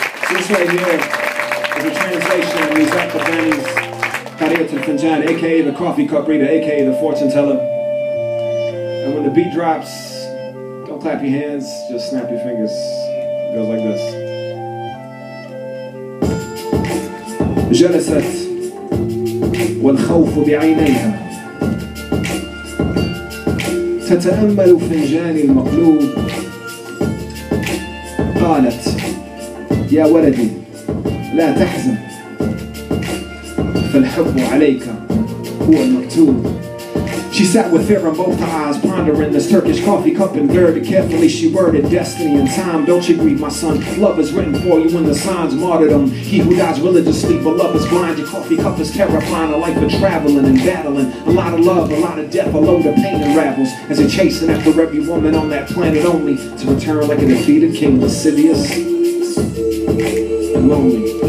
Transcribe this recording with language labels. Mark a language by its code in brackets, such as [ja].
[en] This right here is a translation of Mizak Kabani's Kariyat al-Finjan, aka the coffee cup reader, aka the fortune teller. And when the beat drops, don't clap your hands, just snap your fingers. It goes like this. [ar] جلست والخوف بعينيها تتأمل فنجاني المقلوب قالت يا ولدي لا تحزن فالحب عليك هو المكتوب. [en] She sat with fear in both eyes, pondering this Turkish coffee cup and dirty. Carefully she worded destiny and time. Don't you grieve, my son. Love is written for you in the signs, martyrdom. He who dies religiously, but love is blind. Your coffee cup is terrifying, a life of traveling and battling. A lot of love, a lot of death, a load of pain unravels as you're chasing after every woman on that planet, only to return like a defeated king, lascivious and lonely.